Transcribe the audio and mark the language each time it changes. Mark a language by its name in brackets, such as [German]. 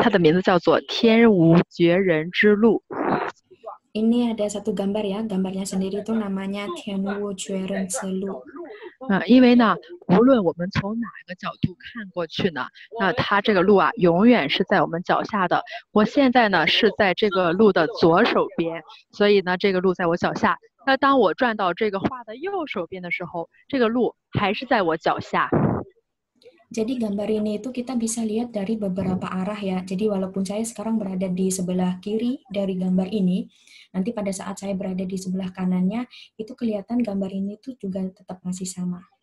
[Chinese] 来，把一个位置上跟我。来，我们到一个比较合适的位置啊，因为游客比较多，都被他们把这个好位置给占到了。我们看一下前方这幅画啊，这幅画。那这幅画呢，它的名字叫做《天无绝人之路》。 [Indonesian] Ini ada satu gambar ya, gambarnya sendiri itu namanya Tianwu Juren Zilu. [Chinese] Nah, 因为呢，无论我们从哪个角度看过去呢，那它这个路啊，永远是在我们脚下的。我现在呢是在这个路的左手边，所以呢这个路在我脚下。那当我转到这个画的右手边的时候，这个路还是在我脚下。 [Indonesian] Jadi gambar ini itu kita bisa lihat dari beberapa arah ya. Jadi walaupun saya sekarang berada di sebelah kiri dari gambar ini, nanti pada saat saya berada di sebelah kanannya, itu kelihatan gambar ini itu juga tetap masih sama.